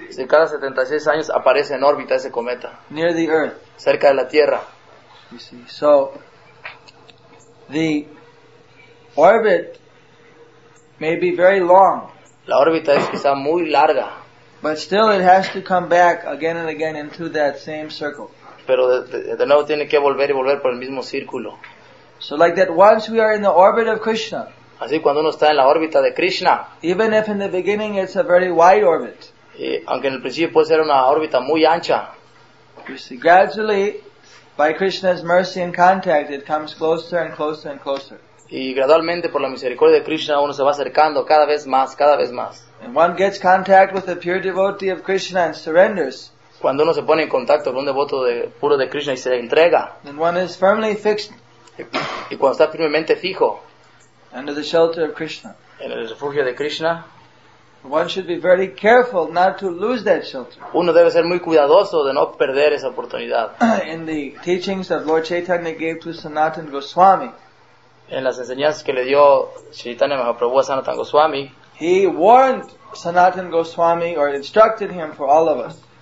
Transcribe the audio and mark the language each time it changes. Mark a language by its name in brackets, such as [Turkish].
[Spanish] Sí, cada 76 años aparece en órbita ese cometa. [English] Near the Earth. [Spanish] Cerca de la Tierra. [English] You see, so the orbit may be very long. [Spanish] La órbita es quizá muy larga. [English] But still, it has to come back again and again into that same circle. [Spanish] Pero de nuevo tiene que volver y volver por el mismo círculo. [English] So like that, once we are in the orbit of Krishna. [Spanish] Así cuando uno está en la órbita de Krishna. [English] Even if in the beginning it's a very wide orbit. [Spanish] Aunque en el principio puede ser una órbita muy ancha. [English] You see, gradually, by Krishna's mercy and contact, it comes closer and closer and closer. [Spanish] Y gradualmente por la misericordia de Krishna uno se va acercando cada vez más, cada vez más. [English] And one gets contact with a pure devotee of Krishna and surrenders. [Spanish] Cuando uno se pone en contacto con un devoto puro de Krishna y se entrega. [English] And one is firmly fixed. [Spanish] Y cuando está firmemente fijo. [English] Under the shelter of Krishna. [Spanish] En el refugio de Krishna. [English] One should be very careful not to lose that shelter. [Spanish] Uno debe ser muy cuidadoso de no perder esa oportunidad. [English] In the teachings that Lord Chaitanya gave to Sanatana Goswami. [Spanish] En las enseñanzas que le dio Chaitanya Mahaprabhu a Sanatana Goswami. [English] He warned Sanatana Goswami or instructed him for all of us.